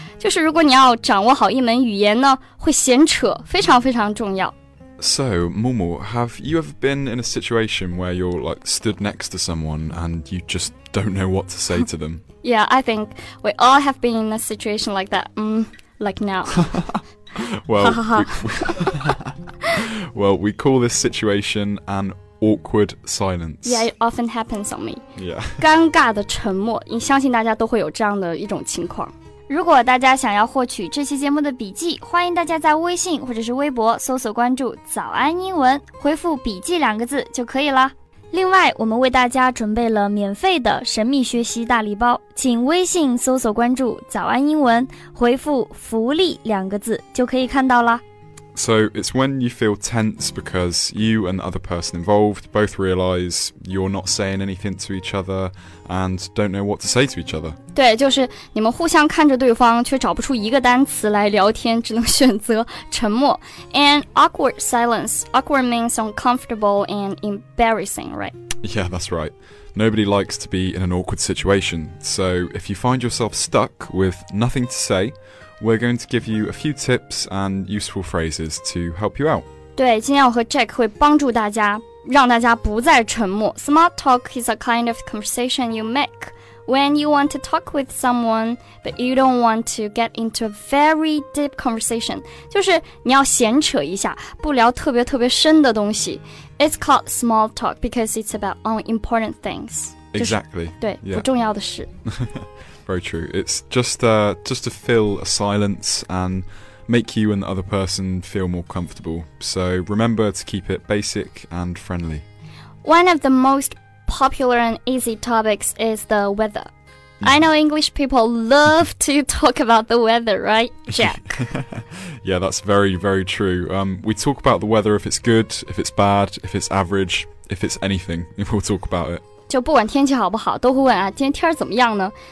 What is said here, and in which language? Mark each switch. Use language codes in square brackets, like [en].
[zh] 就是如果你要掌握好一门语言呢，会闲扯，非常非常重要。 [en] So, Mumu, have you ever been in a situation where you're like stood next to someone and you just don't know what to say to them? Yeah, I think we all have been in a situation like that. Like now. Well, we call this situation an awkward silence. Yeah, it often happens on me. Yeah. [zh] 尴尬的沉默，你相信大家都会有这样的一种情况。如果大家想要获取这期节目的笔记，欢迎大家在微信或者是微博搜索关注早安英文，回复笔记两个字就可以了。另外，我们为大家准备了免费的神秘学习大礼包，请微信搜索关注早安英文，回复福利两个字就可以看到了。 [en] So it's when you feel tense because you and the other person involved both realize you're not saying anything to each other and don't know what to say to each other. [zh] 对，就是你们互相看着对方，却找不出一个单词来聊天，只能选择沉默。 [en] And awkward silence. Awkward means uncomfortable and embarrassing, right? Yeah, that's right. Nobody likes to be in an awkward situation. So if you find yourself stuck with nothing to say,We're going to give you a few tips and useful phrases to help you out. [zh] 对，今天我和 Jack 会帮助大家，让大家不再沉默。 [en] Small talk is a kind of conversation you make when you want to talk with someone, but you don't want to get into a very deep conversation. [zh] 就是你要闲扯一下，不聊特别特别深的东西。 [en] It's called small talk because it's about unimportant things. Exactly. [zh] 对、 [en] yeah. [zh] 不重要的事。 [en] Very true. It's just to fill a silence and make you and the other person feel more comfortable. So remember to keep it basic and friendly. One of the most popular and easy topics is the weather. Mm. I know English people love to talk about the weather, right, Jack? Yeah, that's very, very true. We talk about the weather if it's good, if it's bad, if it's average, if it's anything, we'll talk about it. [zh] 就不管天气好不好，都会问啊，今天天怎么样呢？